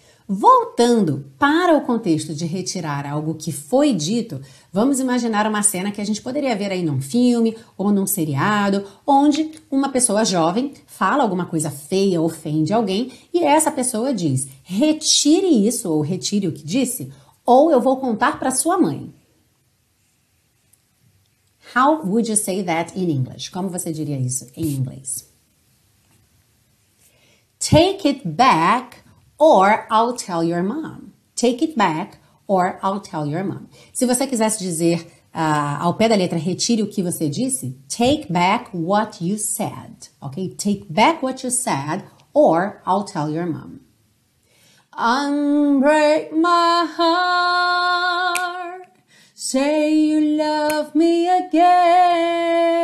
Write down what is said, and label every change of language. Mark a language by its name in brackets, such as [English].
[Portuguese] Voltando para o contexto de retirar algo que foi dito, vamos imaginar uma cena que a gente poderia ver aí num filme ou num seriado, onde uma pessoa jovem fala alguma coisa feia, ofende alguém, e essa pessoa diz: retire isso, ou retire o que disse, ou eu vou contar para sua mãe. [English] How would you say that in English? [Portuguese] Como você diria isso em inglês? [English] Take it back. Or I'll tell your mom. Take it back, or I'll tell your mom. [Portuguese] Se você quisesse dizer ao pé da letra, retire o que você disse, [English] take back what you said. Ok? Take back what you said, or I'll tell your mom. Unbreak my heart, say you love me again.